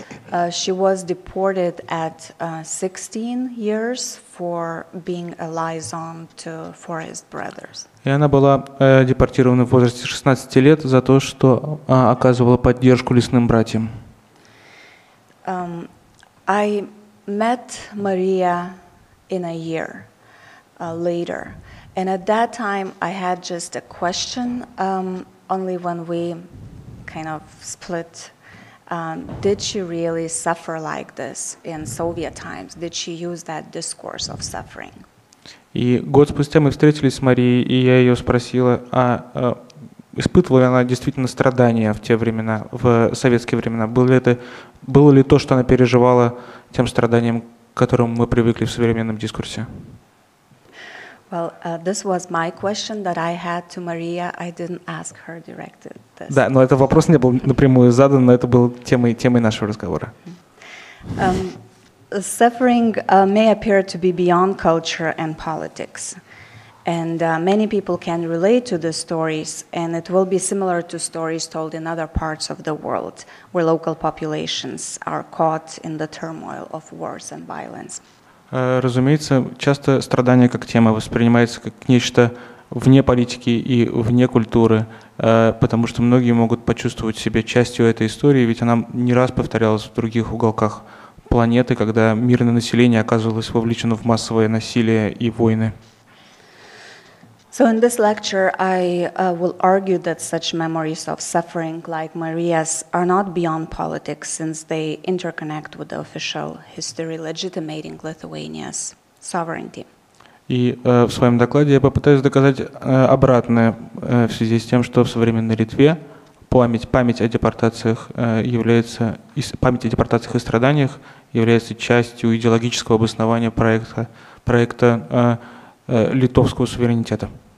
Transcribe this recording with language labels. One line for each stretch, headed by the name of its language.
English: She was deported at 16 years for being a liaison to Forest Brothers.
Russian: И она была депортирована в возрасте 16 лет за то, что оказывала поддержку лесным братьям.
English: I met Maria in a year later, and at that time I had just a question. Only when we kind of split, did she really suffer like this in Soviet times? Did she use that discourse of suffering?
Russian: И год спустя мы встретились с Марией, и я ее спросила, а испытывала ли она действительно страдания в те времена, в советские времена? Было ли то, что она переживала тем страданиям, к которым мы привыкли в современном дискурсе?
English: Well, this was my question that I had to Maria. I didn't ask her directly this.
Russian: Да, но этот вопрос не был напрямую задан, но это был темой нашего разговора.
English: Suffering may appear to be beyond culture and politics. And many people can relate to the stories, and it will be similar to stories told in other parts of the world, where local populations are caught in the turmoil of wars and violence.
Russian: Разумеется, часто страдание как тема воспринимается как нечто вне политики и вне культуры, потому что многие могут почувствовать себя частью этой истории, ведь она не раз повторялась в других уголках планеты, когда мирное население оказывалось вовлечено в массовое насилие и войны.
English: So in this lecture I will argue that such memories of suffering like Maria's are not beyond politics since they interconnect with the official history legitimating Lithuania's sovereignty.
Russian: И в своем докладе я попытаюсь доказать обратное в связи с тем, что в современной Литве память о депортациях является память о депортациях и страданиях является частью идеологического обоснования проекта литовского суверенитета.